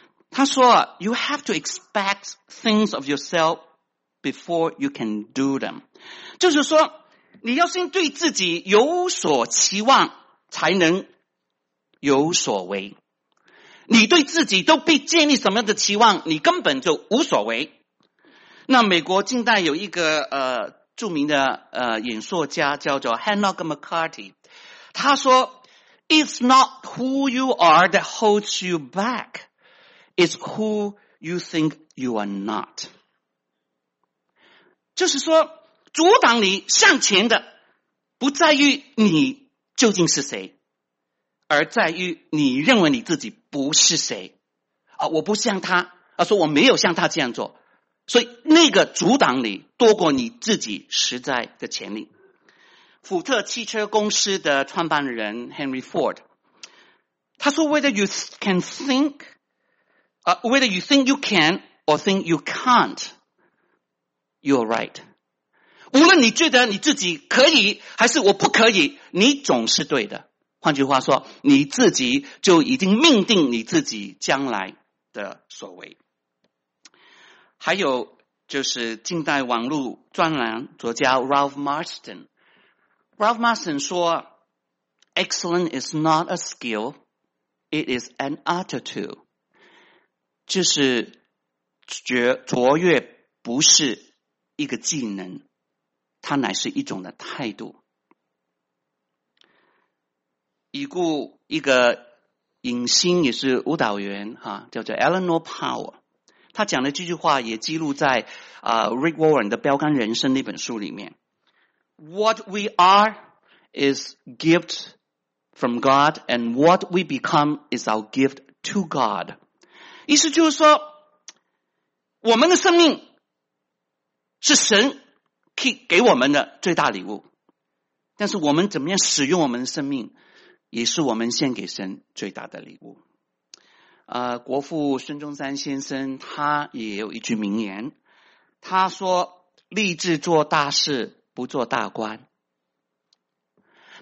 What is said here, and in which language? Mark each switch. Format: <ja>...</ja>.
<zh>他说</zh> <en>,you have to expect things of yourself before you can do them.</en> <zh>就是说你要先对自己有所期望才能有所为。你对自己都被建立什么样的期望，你根本就无所为。那美国近代有一个著名的演说家叫做 Hannah McCarthy。他说</zh> <en>,it's not who you are that holds you back. It's who you think you are not.</en> <zh>就是说阻挡你向前的不在于你究竟是谁，而在于你认为你自己不是谁。我不像他，说我没有像他这样做。所以那个阻挡你多过你自己实在的潜力。福特汽车公司的创办人</zh> <en>Henry Ford,</en> <zh>他说</zh> <en>whether you think you can or think you can't, you're right.</en> <zh>无论你觉得你自己可以还是我不可以，你总是对的。换句话说，你自己就已经命定你自己将来的所为。还有就是近代网络专栏作家 Ralph Marston。</zh> <en>Ralph Marston</en> <zh>说</zh> <en>,excellent is not a skill, it is an attitude.</en> <zh>就是卓越不是一个技能，它乃是一种的态度。已故一个影星也是舞蹈员叫做 Eleanor Power, 他讲的这句话也记录在Rick Warren 的标杆人生那本书里面。</zh> <en>What we are is gift from God, and what we become is our gift to God.</en> <zh>意思就是说，我们的生命是神给我们的最大礼物，但是我们怎么样使用我们的生命，也是我们献给神最大的礼物。国父孙中山先生他也有一句名言，他说：“立志做大事，不做大官。”</zh>